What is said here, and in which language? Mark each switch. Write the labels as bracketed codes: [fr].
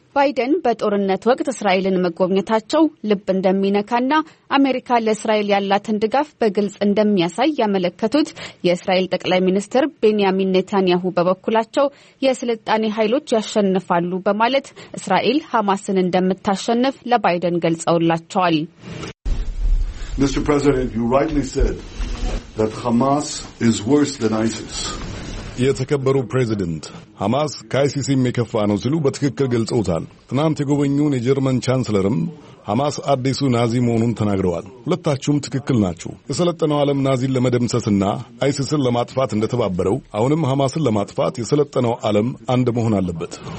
[am] ባይደን በጦርነት ወቅት እስራኤልን መጎብኘታቸው ልብ እንደሚነካና አሜሪካ ለእስራኤል ያላትን ድጋፍ በግልጽ እንደሚያሳይ ያመለከቱት የእስራኤል ጠቅላይ ሚኒስትር ቤንያሚን ኔታንያሁ በበኩላቸው የስልጣኔ ኃይሎች ያሸንፋሉ በማለት እስራኤል ሐማስን እንደምታሸንፍ ለባይደን ገልጸውላቸዋል። [en] Mr. President, you rightly said that Hamas is worse than ISIS. [am] የተከበሩ ፕሬዚደንት፣ ሐማስ ከአይሲስ የሚከፋ ነው ሲሉ በትክክል ገልጸውታል። ትናንት የጎበኙን የጀርመን ቻንስለርም ሐማስ አዲሱ ናዚ መሆኑን ተናግረዋል። ሁለታችሁም ትክክል ናችሁ። የሰለጠነው ዓለም ናዚን ለመደምሰስና አይሲስን ለማጥፋት እንደተባበረው አሁንም ሐማስን ለማጥፋት የሰለጠነው ዓለም አንድ መሆን አለበት።